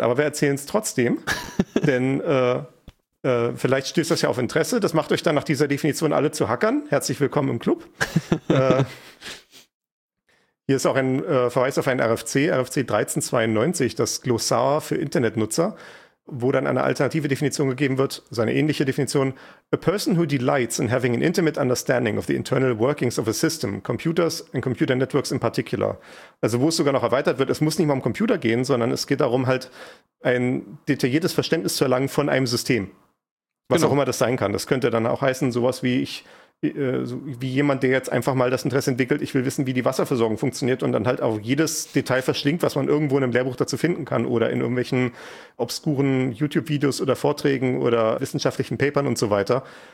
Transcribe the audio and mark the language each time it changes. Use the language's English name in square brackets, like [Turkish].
[German] Aber wir erzählen es trotzdem, denn vielleicht stößt das ja auf Interesse. Das macht euch dann nach dieser Definition alle zu Hackern. Herzlich willkommen im Club. Hier ist auch ein Verweis auf ein RFC, RFC 1392, das Glossar für Internetnutzer, wo dann eine alternative Definition gegeben wird, also eine ähnliche Definition. [English] A person who delights in having an intimate understanding of the internal workings of a system, computers and computer networks in particular. [German] Also wo es sogar noch erweitert wird, es muss nicht mal um Computer gehen, sondern es geht darum, halt ein detailliertes Verständnis zu erlangen von einem System. Was genau auch immer das sein kann. Das könnte dann auch heißen, sowas wie wie jemand, der jetzt einfach mal das Interesse entwickelt, ich will wissen, wie die Wasserversorgung funktioniert und dann halt auch jedes Detail verschlingt, was man irgendwo in einem Lehrbuch dazu finden kann oder in irgendwelchen obskuren YouTube-Videos oder Vorträgen oder wissenschaftlichen Papern und so weiter.